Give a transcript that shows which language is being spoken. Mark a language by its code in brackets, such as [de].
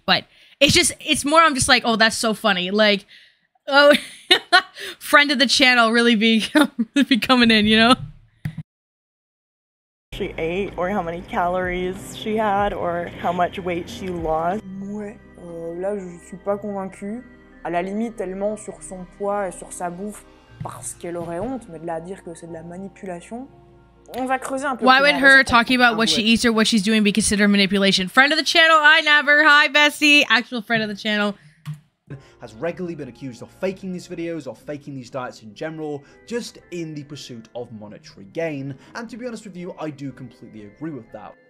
[en] But it's more I'm just like, oh, that's so funny. Like, oh, friend of the channel really be coming in, you know? She ate or how many calories she had or how much weight she lost. [fr] Là, je suis pas convaincue. À la limite, elle ment sur son poids et sur sa bouffe parce qu'elle aurait honte, mais de là à dire que c'est de la manipulation. On va creuser un peu. [en] Why would her talking about what she eats or what she's doing be considered manipulation? Friend of the channel, I never. Hi, Bessie. Actual friend of the channel. has regularly been accused of faking these videos, or faking these diets in general, just in the pursuit of monetary gain. And to be honest with you, I do completely agree with that.